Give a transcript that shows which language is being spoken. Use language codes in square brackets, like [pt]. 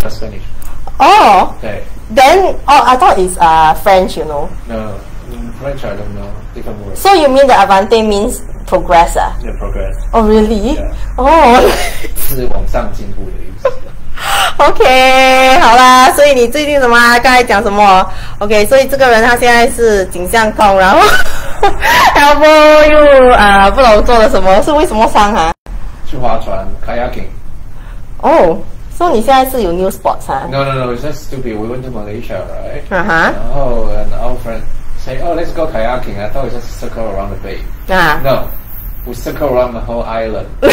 [zh] 因为我可以在这边念书啊。哦，真的吗？对，我会讲 Spanish。哦。对。 [en] Then， I thought is French， you know。 No， in French I don't know different word。 So you mean the Avante means progress 啊？Yeah， progress。 Oh， really？ Yeah。哦。 [zh] 是往上进步的意思。 OK， 好啦，所以你最近怎么啊？刚才讲什么 ？OK， 所以这个人他现在是颈项痛，然后 elbow 又不知道做了什么，是为什么伤啊？去划船 [en] ，kayaking。 [zh] 哦，所以你现在是有 [en] new sports [zh] 啊 [en] ？No， it's just stupid. We went to Malaysia, right？ [zh] 然后 [en] our friend say, oh, let's go kayaking. I thought we just circle around the bay. No, we circle around the whole island.